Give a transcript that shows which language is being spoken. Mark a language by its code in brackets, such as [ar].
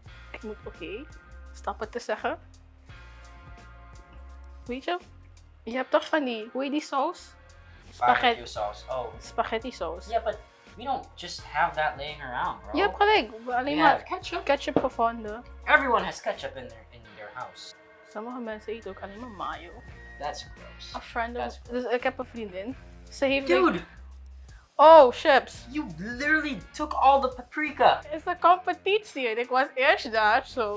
[nl] Ik moet stappen te zeggen. Weet je? Je hebt toch van die, hoe heet die saus? [en] Spaghetti sauce. Oh. Spaghetti sauce. Yeah, but we don't just have that laying around, bro. [nl] Je hebt gelijk. Alleen maar ketchup gevonden. [en] Everyone has ketchup in their house. [nl] Sommige mensen eten ook alleen maar mayo. [en] That's gross. A friend of... [nl] Dus ik heb een vriendin. Ze heeft... [en] Dude! Oh, chips. You literally took all the paprika. It's a [nl] competitie. Ik was eerst daar, so...